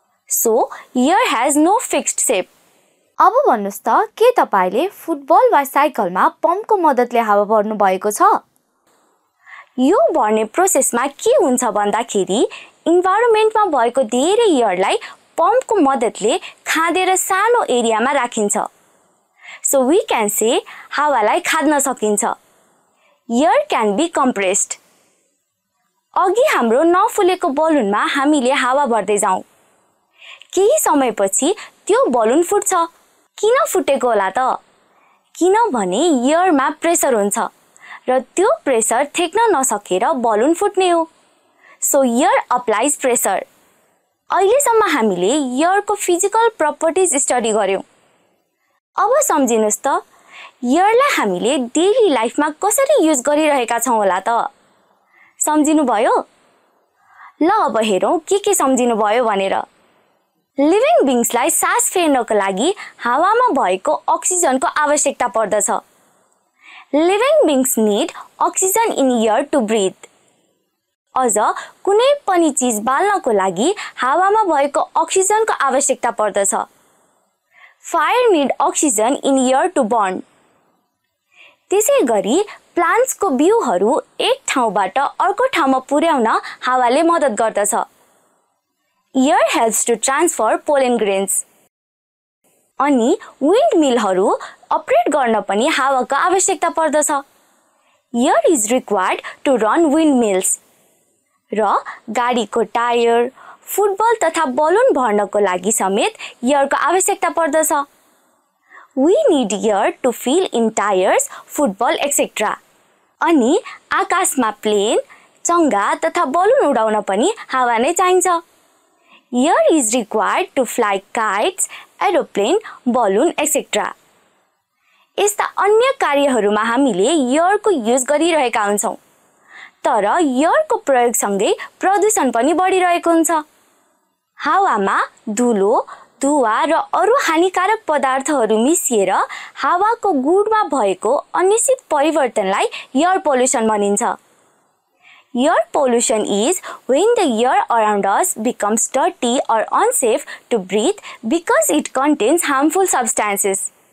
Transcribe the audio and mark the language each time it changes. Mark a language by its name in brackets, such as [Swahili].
[English] So air has no fixed shape. [Nepali] अब भन्नुहोस् त, के तपाईँले फुटबल वा साइकलमा पम्पको मद्दतले हावा भर्नुभएको छ? यो भर्ने प्रोसेसमा के हुन्छ भन्दाखेरि, इन्भाइरोमेन्टमा भएको धेरै एयरलाई पम्पको मद्दतले खाँदेर सानो एरियामा राखिन्छ। [English] so we can say [Nepali] हावालाई खाद्न सकिन्छ। [English] Air can be compressed. [Nepali] अघि हाम्रो नफुलेको बलुनमा हामीले हावा भर्दै जाउँ। केही समयपछि त्यो बलुन फुट्छ। किन फुटेको होला त? किनभने एयरमा प्रेसर हुन्छ र त्यो प्रेसर थेक्न नसकेर बलुन फुट्ने हो। [English] So air applies pressure. [Nepali] अहिलेसम्म हामीले एयरको फिजिकल प्रपर्टिज स्टडी गऱ्यौँ। अब सम्झिनुहोस् त, एयरलाई हामीले डेली लाइफमा कसरी युज गरिरहेका छौँ होला त? सम्झिनुभयो? ल अब हेरौँ के सम्झिनुभयो भनेर। लिभिङ बिङ्सलाई सास फेर्नको लागि हावामा भएको अक्सिजनको आवश्यकता पर्दछ। [English] Living beings need oxygen in air to breathe. [Nepali] अझ कुनै पनि चिज बाल्नको लागि हावामा भएको अक्सिजनको आवश्यकता पर्दछ। [English] Fire need oxygen in air to burn. [Nepali] त्यसै गरी प्लान्ट्सको बिउहरू एक ठाउँबाट अर्को ठाउँमा पुर्याउन हावाले मद्दत गर्दछ। [English] Air helps to transfer pollen grains. [Nepali] अनि विन्ड मिलहरू अपरेट गर्न पनि हावाको आवश्यकता पर्दछ। [English] Air is required to run wind mills. [Nepali] र गाडीको टायर, फुटबल तथा बलुन भर्नको लागि समेत एयरको आवश्यकता पर्दछ। [English] We need air to fill in tires, football, etc. [Nepali] अनि आकाशमा प्लेन, चंगा तथा बलून उडाउन पनि हावा नै चाहिन्छ। [English] Air is required to fly kites, aeroplane, balloon, etc. [Nepali] यस्ता अन्य कार्यहरूमा हामीले एयरको युज गरिरहेका हुन्छौँ तर एयरको प्रयोगसँगै प्रदूषण पनि बढिरहेको हुन्छ हावामा धुलो धुवा र अरू हानिकारक पदार्थहरू मिसिएर हावाको गुणमा भएको अनिश्चित परिवर्तनलाई [English] air pollution भनिन्छ air pollution is when the air around us becomes dirty or unsafe to breathe because it contains harmful substances